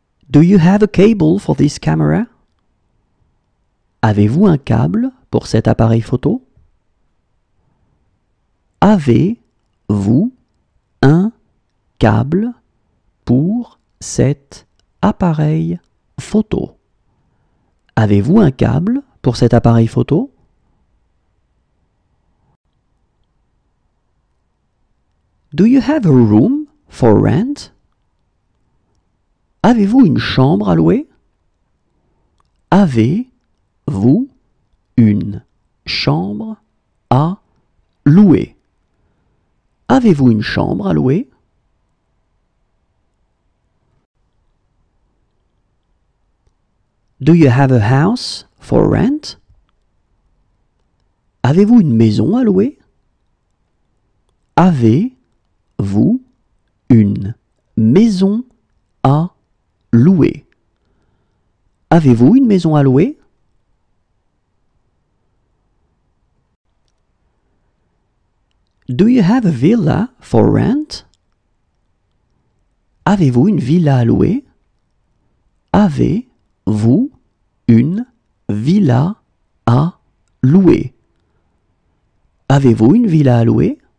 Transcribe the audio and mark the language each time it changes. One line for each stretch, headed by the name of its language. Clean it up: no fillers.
English: Do you have a cable for this camera?
French: Avez-vous un câble pour cet appareil photo? Avez-vous un câble pour cet appareil photo? Avez-vous un câble pour cet appareil photo?
English: Do you have a room for rent?
French: Avez-vous une chambre à louer? Avez-vous une chambre à louer? Avez-vous une chambre à louer?
English: Do you have a house for rent?
French: Avez-vous une maison à louer? Avez-vous une maison à louer? Louer. Avez-vous une maison à louer?
English: Do you have a villa for rent?
French: Avez-vous une villa à louer? Avez-vous une villa à louer? Avez-vous une villa à louer?